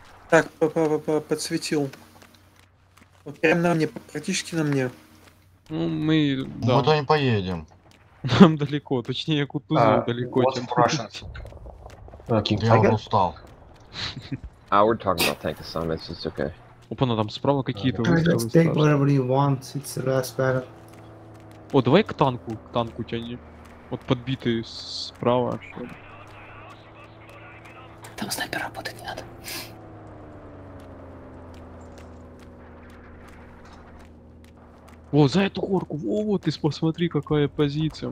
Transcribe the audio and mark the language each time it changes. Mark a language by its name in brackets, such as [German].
[Russian] Так, подсветил. Вот прям на мне, практически на мне. Ну, мы... Да. Мы туда не поедем. Нам далеко, точнее, Кутузову далеко, чем... Я уже устал. [English] А, we're talking about tank assignments, it's okay. [Russian] Опа, ну там справа какие-то... [English] Take whatever you want, it's the best battle. [Russian] О, давай к танку тяни. Вот подбитый справа, что ли. Там снайпер работать не надо. О, за эту горку, во, вот ты посмотри, какая позиция.